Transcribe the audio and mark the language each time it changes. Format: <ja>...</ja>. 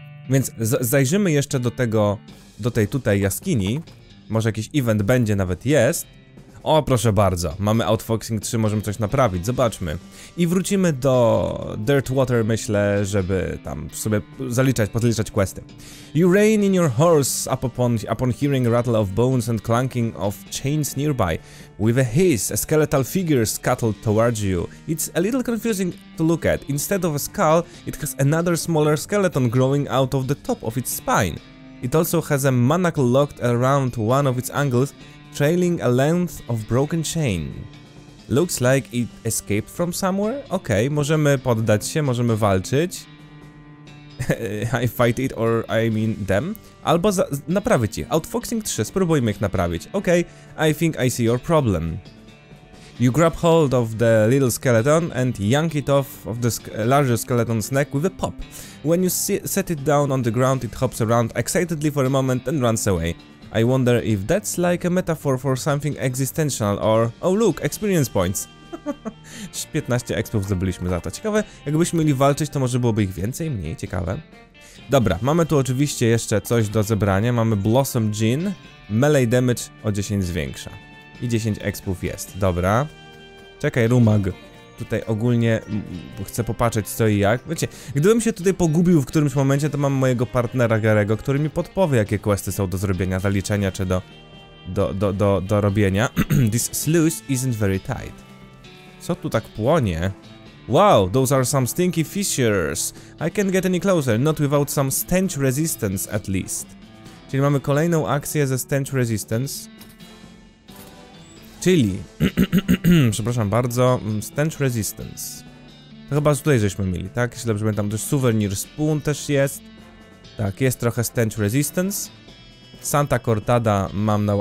<pl>Więc zajrzymy jeszcze do tego, do tej tutaj jaskini. Może jakiś event będzie, nawet jest. O, proszę bardzo, mamy outfoxing 3, możemy coś naprawić, zobaczmy. I wrócimy do Dirtwater, myślę, żeby tam sobie pozaliczać questy.</pl> <en>You rein in your horse upon hearing rattle of bones and clanking of chains nearby. With a hiss, a skeletal figure scuttled towards you. It's a little confusing to look at. Instead of a skull, it has another smaller skeleton growing out of the top of its spine. It also has a manacle locked around one of its angles, trailing a length of broken chain. Looks like it escaped from somewhere?</en> <pl>Okej, możemy poddać się, możemy walczyć.</pl> <en>I fight it or I mean them.</en> <pl>Albo naprawić ich. Outfoxing 3, spróbujmy ich naprawić.</pl> <en>Okej, I think I see your problem. You grab hold of the little skeleton and yank it off of the larger skeleton's neck with a pop. When you set it down on the ground, it hops around excitedly for a moment and runs away. I wonder if that's like a metaphor for something existential or... Oh look, experience points!</en> <pl>15 expów zdobyliśmy za to. Ciekawe, jakbyśmy mieli walczyć, to może byłoby ich więcej, mniej, ciekawe. Dobra, mamy tu oczywiście jeszcze coś do zebrania. Mamy Blossom Gin, melee damage o 10 zwiększa. I 10 expów jest, dobra. Czekaj, Rumag. Tutaj ogólnie chcę popatrzeć co i jak. Wiecie, gdybym się tutaj pogubił w którymś momencie, to mam mojego partnera Garego, który mi podpowie, jakie questy są do zrobienia, zaliczenia czy do robienia.</pl> <en>This sluice isn't very tight.</en> <pl>Co tu tak płonie?</pl> <en>Wow, those are some stinky fissures. I can't get any closer, not without some stench resistance at least.</en> <pl>Czyli mamy kolejną akcję ze stench resistance. Czyli, przepraszam bardzo, stench resistance. To chyba tutaj żeśmy mieli, tak? Jeśli dobrze pamiętam, to souvenir spoon też jest. Tak, jest trochę stench resistance. Santa Cortada mam na...</pl>